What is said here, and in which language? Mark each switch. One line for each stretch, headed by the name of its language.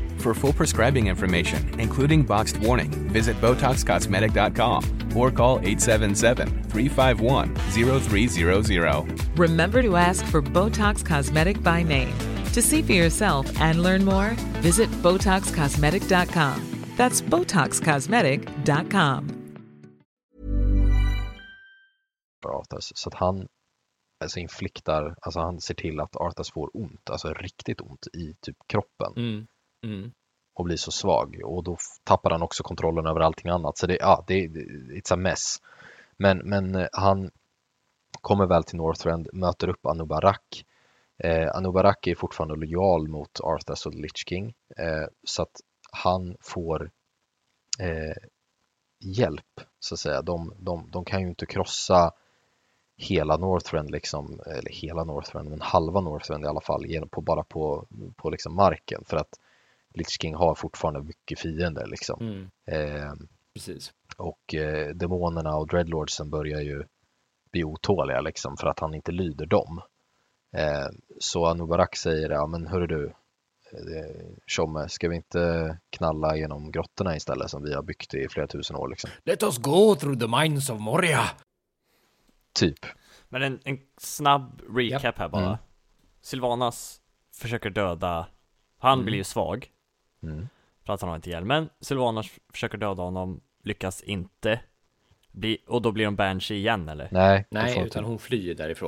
English: For full prescribing information, including boxed warning, visit BotoxCosmetic.com or call 877-351-0300. Remember to ask for Botox Cosmetic by name. To see for yourself and learn more, visit BotoxCosmetic.com. That's BotoxCosmetic.com.
Swedish: Arthas, så att han alltså infliktar, alltså han ser till att Arthas får ont, alltså riktigt ont i typ kroppen. Och blir så svag, och då tappar han också kontrollen över allting annat, så det
English: it's a mess.
Swedish: Men han kommer väl till Northrend, möter upp Anubarak. Anubarak är fortfarande lojal mot Arthas och Lich King, så att han får hjälp, så att säga. De kan ju inte krossa hela Northrend liksom, eller hela Northrend, men halva Northrend i alla fall, på liksom marken, för att Lich King har fortfarande mycket fiender liksom. Precis. Och demonerna och dreadlordsen börjar ju bli otåliga liksom, för att han inte lyder dem. Så Anubarak säger, ja men hörru du, Tjomme, ska vi inte knalla genom grottorna istället som vi har byggt i flera tusen år liksom?
English: Let us go through the mines of Moria.
Swedish: Typ. Men en snabb recap, yep, här bara. Mm. Sylvanas försöker döda, han blir ju svag för att han har inte hjälp, men Sylvanas försöker döda honom, lyckas inte bli, och då blir hon banshee igen, eller? Nej utan hon flyr därifrån.